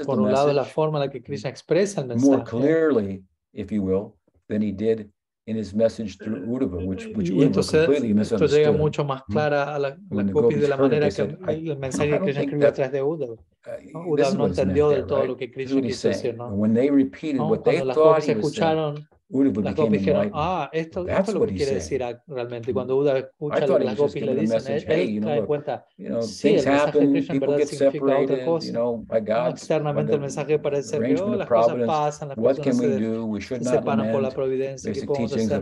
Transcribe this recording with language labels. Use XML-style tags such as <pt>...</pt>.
<es>entonces, por un lado, la forma en la que Krishna expresa el mensaje</es> <en>more clearly, if you will, than he did in his message through Uddhava, which</en> <es>y entonces,</es> <en>Uddhava completely misunderstood.</en> <es>Esto llega mucho más clara a las gopis de la manera que el mensaje que Krishna escribió atrás de Uddhava. Uddhava no entendió del todo,</es> <en>right?</en> <es>Lo que Krishna quiso decir, ¿no?</es> <en>When they repeated what they thought he was saying,</en> <es>las gopis dijeron, ah, esto es lo que quiere decir realmente. Y cuando Uddhava escucha lo que las gopis le dicen, él cae en cuenta, sí, el mensaje de Krishna en verdad significa otra cosa. Externamente el mensaje parece ser que las cosas pasan, las personas se separan por la providencia, ¿qué podemos hacer?</es>